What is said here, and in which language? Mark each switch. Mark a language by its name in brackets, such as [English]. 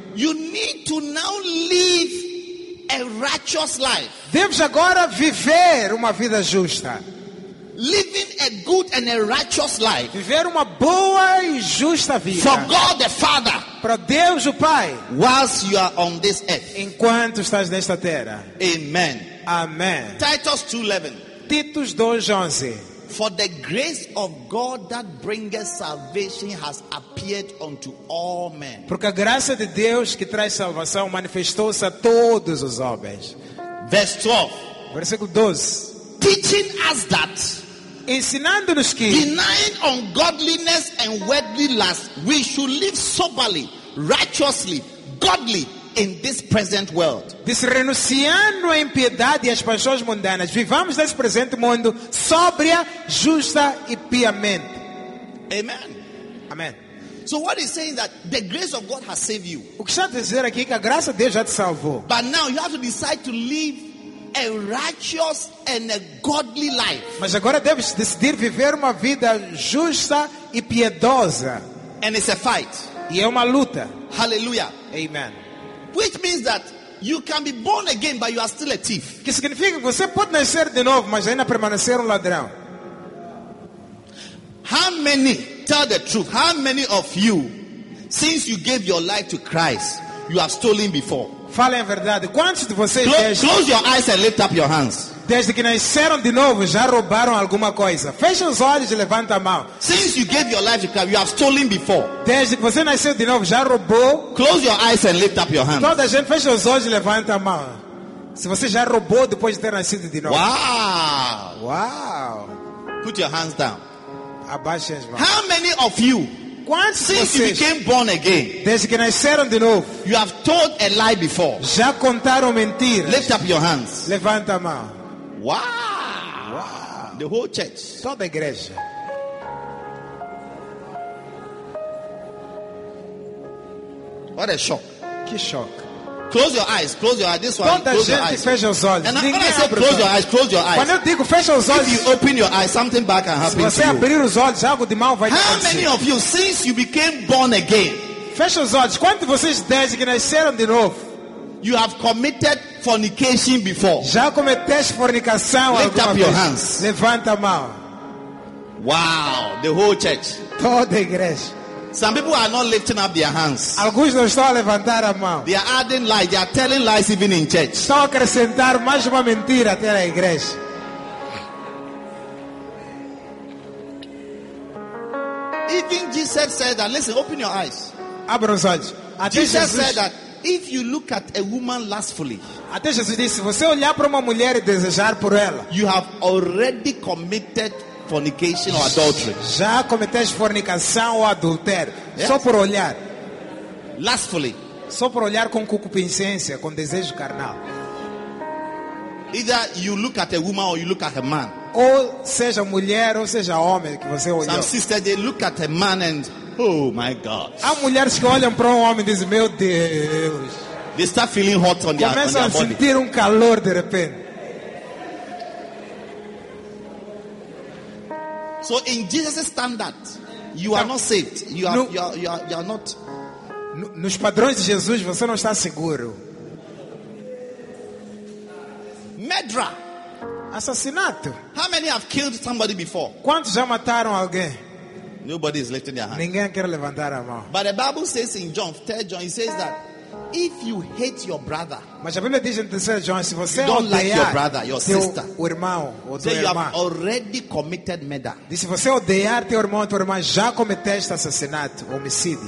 [English] You need to now live a righteous life. [Portuguese] Deves agora viver uma vida justa. [English] Living a good and a righteous life. [Portuguese] Viver uma boa e justa vida. [English] For God the Father. [Portuguese] Para Deus o Pai. [English] Whilst you are on this earth. [Portuguese] Enquanto estás nesta terra. [English] Amen. [Portuguese] Amen. [English] Titus 2:11. [Portuguese] Titus 2:11. [English] For the grace of God that bringeth salvation has appeared unto all men. [Portuguese] Porque a graça de Deus que traz salvação manifestou-se a todos os homens. [English] Verse 12. [Portuguese] Versículo 12. [English] Teaching us that, [Portuguese] ensinando-nos que, [English] denying ungodliness and worldly lust, we should live soberly, righteously, godly in this present world. [Portuguese] Diz, renunciando à impiedade e às paixões mundanas, vivamos nesse presente mundo sóbria, justa e piamente. [English] Amen. [Portuguese] Amen. [English] So what he's saying is that the grace of God has saved you. [Portuguese] O que está a dizer aqui é que a graça de Deus já te salvou. [English] But now you have to decide to live a righteous and a godly life. [Portuguese] Mas agora deves decidir viver uma vida justa e piedosa. [English] And it's a fight. [Portuguese] E é uma luta. [English] Hallelujah. [Portuguese] Amen. [English] Which means that you can be born again, but you are still a thief. [Portuguese] Que significa que você pode nascer de novo, mas ainda permanecer ladrão. [English] How many, tell the truth, how many of you, since you gave your life to Christ, you have stolen before? [Portuguese] Fale a verdade. Quantos de vocês, [English] close your eyes and lift up your hands. [Portuguese] Desde que nasceram de novo, já roubaram alguma coisa. Feche os olhos e levanta a mão. [English] Since you gave your life to Christ, you have stolen before. [Portuguese] Desde que você nasceu de novo, já roubou. [English] Close your eyes and lift up your hands. [Portuguese] Toda a gente, feche os olhos e levanta a mão. Se você já roubou depois de ter nascido de novo. [English] Wow. [Portuguese] Wow. [English] Put your hands down. [Portuguese] Abaixe as mãos. [English] How many of you, [Portuguese] quantos [English] since you became born again, [Portuguese] desde que nasceram de novo, [English] you have told a lie before? [Portuguese] Já contaram mentiras. [English] Lift up your hands. [Portuguese] Levanta a mão. [English] Wow. The whole church. [Portuguese] Toda a igreja. [English] What a shock. [Portuguese] Que shock. [English] Close your eyes. Close your eyes. This one. [Portuguese] Toda gente fecha os olhos. [English] And when I say close your eyes, close your eyes. [Portuguese] Quando eu digo fecha os olhos, [English] if you open your eyes, something bad can happen to you. [Portuguese] Se você abrir os olhos, algo de mal vai acontecer. [English] How many of you, since you became born again, [Portuguese] fecha os olhos. Quantos de vocês desde que nasceram de novo, [English] you have committed fornication before? [Portuguese] Já cometeste fornicação alguma vez? [English] Lift up your hands. [Portuguese] Levanta a mão. [English] Wow, the whole church. [Portuguese] Toda a igreja. [English] Some people are not lifting up their hands. [Portuguese] Alguns não estão a levantar a mão. [English] They are adding lies. They are telling lies even in church. [Portuguese] Estão a acrescentar mais uma mentira até na igreja. [English] Even Jesus said that. Listen, open your eyes. [Portuguese] Abra os olhos. [English] Jesus said that if you look at a woman lustfully, [Portuguese] até Jesus disse, se você olhar para uma mulher e desejar por ela, [English] you have already committed fornication or adultery. [Portuguese] Já cometeste fornicação ou adultério. [English] Yes. [Portuguese] Só por olhar. [English] Lustfully. [Portuguese] Só por olhar com concupiscência, com desejo carnal. [English] Either you look at a woman or you look at a man. [Portuguese] Ou seja mulher ou seja homem que você olhou. [English] Some sisters, they look at a man and, oh my God. [Portuguese] Há mulheres que olham para um homem e dizem, meu Deus. [English] They start feeling hot on their, [Portuguese] começam [English] on their body. [Portuguese] Começam a sentir um calor de repente. [English] So in Jesus' standard, you are not saved. You are not. [Portuguese] Nos padrões de Jesus, você não está seguro. [English] Murderer. [Portuguese] Assassinato. [English] How many have killed somebody before? [Portuguese] Quantos já mataram alguém? [English] Nobody is lifting their hand. [Portuguese] Ninguém quer levantar a mão. [English] But the Bible says in John, 3 John, it says that if you hate your brother, [Portuguese] mas a Bíblia diz em 3 João, se você [English] you don't like your brother, your sister, [Portuguese] o irmão, ou [English] so you [Portuguese] irmã, [English] have already committed murder. [Portuguese] Diz, se você odeiar teu irmão ou tua irmã, já cometeste assassinato, homicídio.